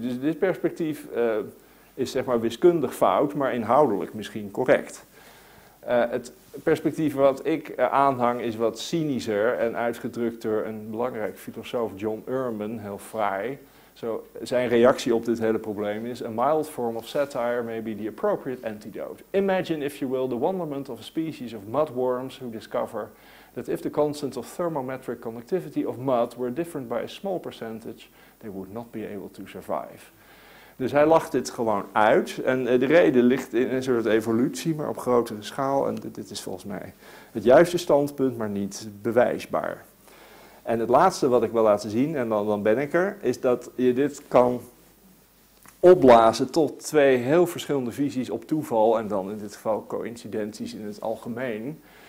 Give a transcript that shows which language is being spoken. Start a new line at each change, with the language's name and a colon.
Dutch: Dus dit perspectief is zeg maar wiskundig fout, maar inhoudelijk misschien correct. Het perspectief wat ik aanhang is wat cynischer en uitgedrukt door een belangrijk filosoof, John Ehrman, heel fraai. So, zijn reactie op dit hele probleem is:
English: a mild form of satire may be the appropriate antidote. Imagine, if you will, the wonderment of a species of mudworms who discover that if the constant of thermometric conductivity of mud were different by a small percentage, they would not be able to survive.
Dutch: Dus hij lacht dit gewoon uit. En de reden ligt in een soort evolutie, maar op grotere schaal. En dit is volgens mij het juiste standpunt, maar niet bewijsbaar. En het laatste wat ik wil laten zien, en dan ben ik er, is dat je dit kan opblazen tot twee heel verschillende visies op toeval, en dan in dit geval coïncidenties in het algemeen.